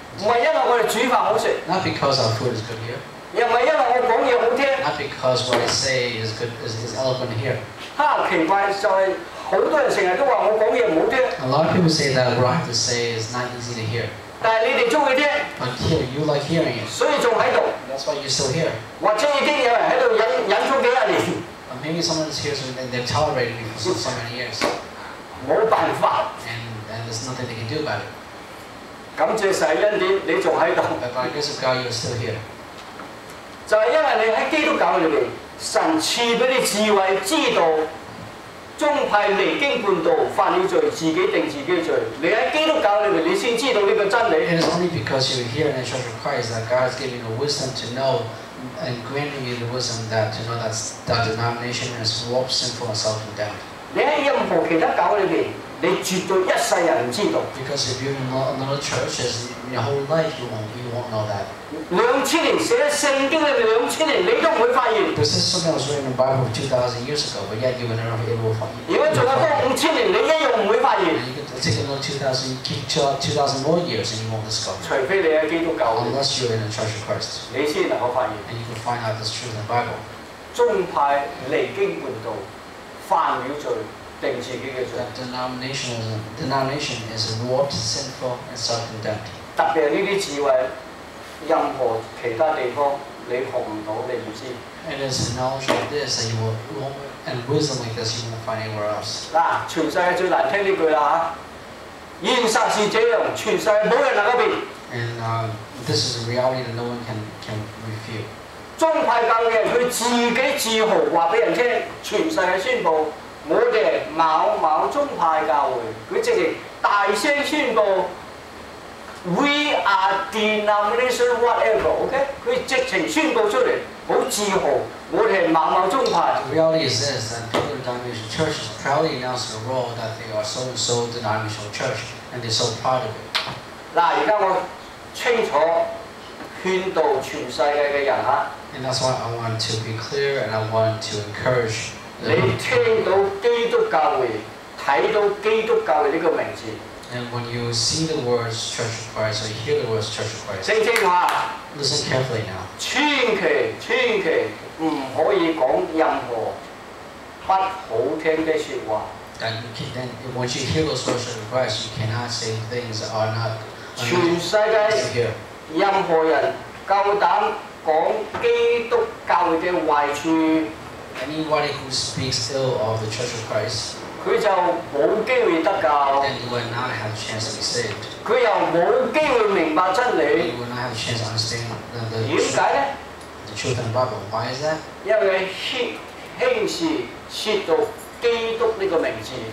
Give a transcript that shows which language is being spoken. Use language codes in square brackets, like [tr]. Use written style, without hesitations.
[yue] 不是因為我們煮飯好吃。 [en] Not because our food is good here. [yue] 又唔係因為我講嘢好聽。 [en] Not because what I say is good, is eloquent here. [yue] 哈，奇怪就係好多人成日都話我講嘢唔好聽。 [en] A lot of people say that what I have to say is not easy to hear. [yue] 但係你哋中意聽。 [en] But here, you like hearing it. [yue] 所以仲喺度。 [en] That's why you're still here. [yue] 或者已經有人喺度忍咗幾廿年。 [en] But maybe someone's here so they've tolerated me for so many years. [yue] 冇辦法。 [en] And there's nothing they can do about it. [yue] 感謝神恩典，你仲喺度。 [en] But by grace of God, you're still here. [yue] 就係因為你喺基督教裏邊，神賜俾你智慧，知道宗派離經叛道，犯了罪，自己定自己罪。你喺基督教裏邊，你先知道呢個真理。 [en] It is only because you are here in the Church of Christ that God is giving you wisdom to know and granting you the wisdom that to know that that denomination is warped, sinful, and self-condemned. [yue] 你喺任何其他教裏邊，你絕對一世人唔知道。 [en] Because if you're in another church, your whole life you won't know that. [yue] 兩千年寫聖經嘅兩千年，你都唔會發現。 [en] This is something that was written in the Bible 2,000 years ago, but yet you will never be able to find it. [yue] 如果仲有多五千年，你一樣唔會發現。 [en] You can take another 2,000 more years and you won't discover. [yue] 除非你喺基督教。 [en] Unless you're in the Church of Christ. [yue] 你先能夠發現。 [en] And you can find out this truth in the Bible. [yue] 宗派離經叛道，犯了罪，定自己嘅罪。 [en] That denomination is warped, sinful, and self-condemned. [yue] 特別係呢啲智慧。任何其他地方你學唔到，你唔知。 [en] And it's knowledge like this that you won't, and wisdom like this you won't find anywhere else. [yue] 嗱，全世界最難聽呢句啦嚇，現實是這樣，全世界冇人能夠變。 [en] And this is a reality that no one can refute. [yue] 宗派教嘅人佢自己自豪話俾人聽，全世界宣佈我哋某某宗派教會，佢直情大聲宣佈。 [en] We are denomination whatever, okay? [yue] 佢直情宣告出嚟，好自豪，我哋係某某宗派。 [en] The reality is this: that people in denomination churches proudly announce the role that they are so and so denominational church, and they're so proud of it. [yue] 嗱，而家我清楚勸導全世界嘅人嚇。 [en] And that's why I want to be clear, and I want to encourage. [yue] 你聽到基督教會，睇到基督教會呢個名字。 [en] And when you see the words Church of Christ, or you hear the words Church of Christ, [yue] 聽聽話 [en] listen carefully now. [yue] 千祈千祈唔可以講任何不好聽的説話。 [en] And you can, then, once you hear those words of Christ, you cannot say things that are not. [yue] 全世界任何人夠膽講基督教會嘅壞處 [en] ，anybody who speaks ill of the Church of Christ. [yue] 佢就冇機會得救。 [en] Then you will not have a chance to be saved. [yue] 佢又冇機會明白真理。 [en] You will not have a chance to understand the truth. [yue] 點解咧 [en] ？The truth in the Bible. Why is that? [yue] 因為輕視涉到基督呢個名字。